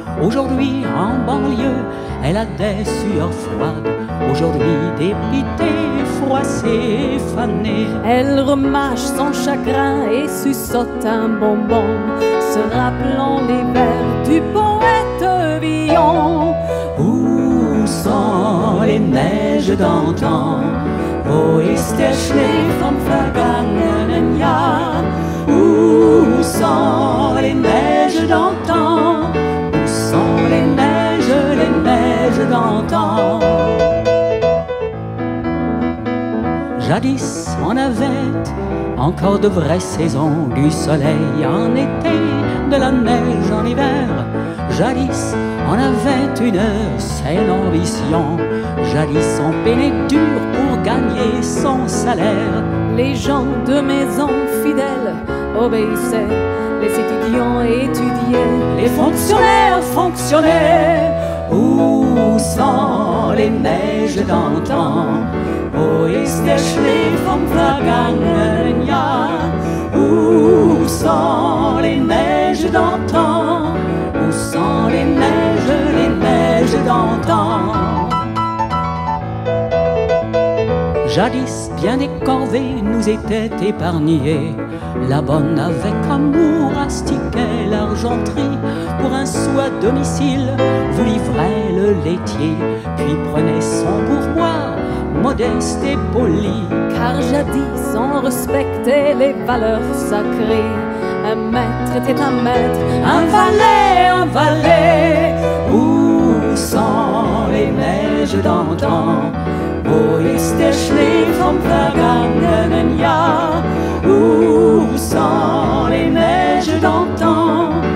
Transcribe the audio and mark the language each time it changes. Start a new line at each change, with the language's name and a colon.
French: Aujourd'hui, en banlieue, elle a des sueurs froides, aujourd'hui dépitée, froissée, fanée. Elle remâche son chagrin et suçote un bonbon, se rappelant les vers du poète Villon. Où sont les neiges d'antan?
German: Wo ist der Schnee vom vergangenen Jahr?
French: Où sont les neiges d'antan? Où sont les neiges d'antan? Jadis, on avait encore de vraies saisons, du soleil en été, de la neige en hiver. Jadis, on avait une seule ambition, jadis on peinait dur pour gagner son salaire. Les gens de maison fidèles obéissaient, les étudiants étudiaient, les fonctionnaires fonctionnaient. Où sont les neiges d'antan?
German: Wo ist der Schnee vom vergangenen Jahr?
French: Où sont les neiges d'antan? Où sont les neiges d'antan? Jadis, bien des corvées nous étaient épargnées. La bonne avec amour astiquait l'argenterie. Pour un sou à domicile, vous livrait le laitier. Puis prenait son pourboire, modeste et poli. Car jadis, on respectait les valeurs sacrées. Un maître était un maître, un valet, un valet. Où sont les neiges d'antan?
German: Wo ist der Schnee vom vergangenen Jahr?
French: Où sont les neiges d'antan?